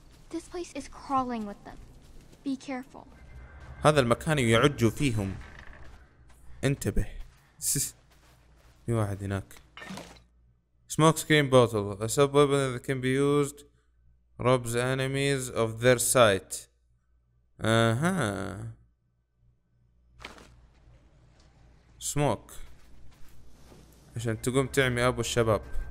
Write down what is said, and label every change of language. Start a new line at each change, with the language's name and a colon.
English: This place is crawling with them. Be careful.
Arabic: هذا المكان يعج فيهم انتبه. في واحد هناك. Smoke screen bottle.
English: A sub weapon that can be used robs enemies of their sight.
Arabic: اها سموك عشان تقوم تعمي ابو الشباب.